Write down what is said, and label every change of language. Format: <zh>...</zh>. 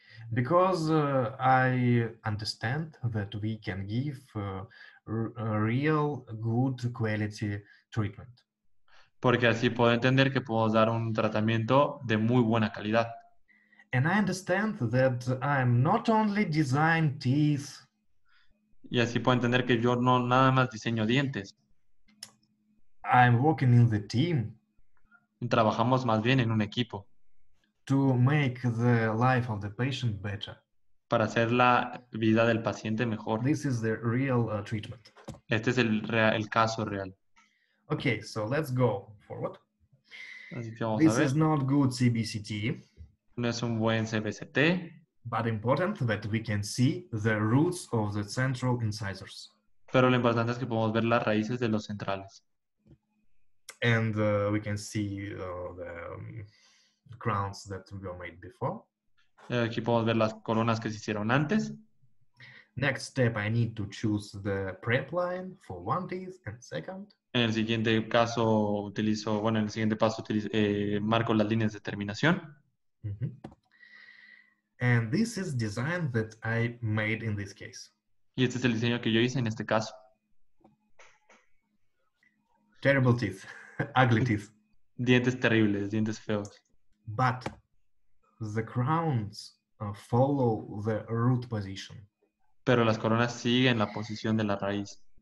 <en>Because I understand that we can give real good quality treatment.</en> <es>Porque así puedo entender que podemos dar un tratamiento de muy buena calidad.</es> <en>And I understand that I'm not only design teeth.</en> <es>Y así puedo entender que yo no nada más diseño dientes.</es> <en>I'm working in the team.</en> <es>Trabajamos más bien en un equipo.</es> <en>To make the life of the patient better.</en> <es>Para hacer la vida del paciente mejor.</es> <en>This is the real treatment.</en> <es>Este es el caso real.</es> <en>Okay, so let's go forward.</en> <es>Así que vamos</es> <en>this</en> <es>a ver.</es> <en>Is not good CBCT.</en> <es>No es un buen CBCT.</es> <en>But important that we can see the roots of the central incisors.</en> <es>Pero lo importante es que podemos ver las raíces de los centrales.</es> <en>And we can see the crowns that were made before.</en> <es>Aquí podemos ver las coronas que se hicieron antes.</es> <en>Next step, I need to choose the prep line for one teeth and second.</en> <es>En el siguiente caso utilizo, bueno, en el siguiente paso utilizo, marco las líneas de terminación.</es> <en>And this is design that I made in this case.</en> <es>Y este es el diseño que yo hice en este caso.</es> <en>Terrible teeth, ugly teeth.</en> <es>Dientes terribles, dientes feos.</es> <en>But the crowns follow the root position.</en> <es>Pero las coronas siguen la posición de la raíz.</es>